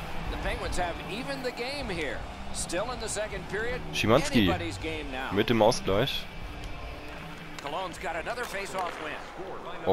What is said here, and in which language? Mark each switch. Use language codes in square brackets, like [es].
[en] The Penguins have even the game here. Still in the second period. [de] Schimanski mit dem Ausgleich. [en] Cologne's got another face-off win.